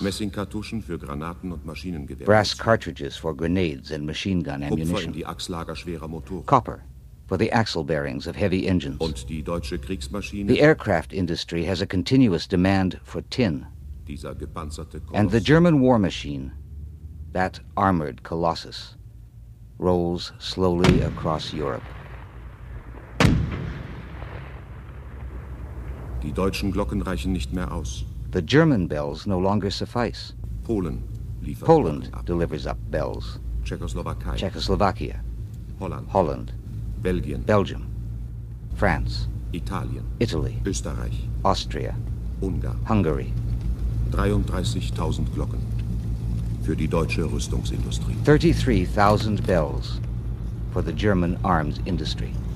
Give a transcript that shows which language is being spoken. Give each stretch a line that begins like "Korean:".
German: Messingkartuschen für Granaten und
English: Maschinengewehre. Brass cartridges for grenades and machine gun ammunition.
German: Kupfer in die Achslager schwerer Motoren.
English: Copper for the axle bearings of heavy engines.
German: Und die deutsche Kriegsmaschine.
English: The aircraft industry has a continuous demand for tin.
German: dieser gepanzerte Koloss.
English: And the German war machine, that armored colossus, rolls slowly across Europe.
German: Die deutschen Glocken reichen nicht mehr aus.
English: The German bells no longer suffice.
German: Polen liefert
English: Poland delivers up bells. Czechoslovakia. Czechoslovakia.
German: Holland.
English: Holland.
German: Belgien.
English: Belgium. France.
German: Italien.
English: Italy.
German: Österreich.
English: Austria.
German: Ungarn.
English: Hungary.
German: 33,000 Glocken für die deutsche Rüstungsindustrie.
English: 33,000 bells for the German arms industry.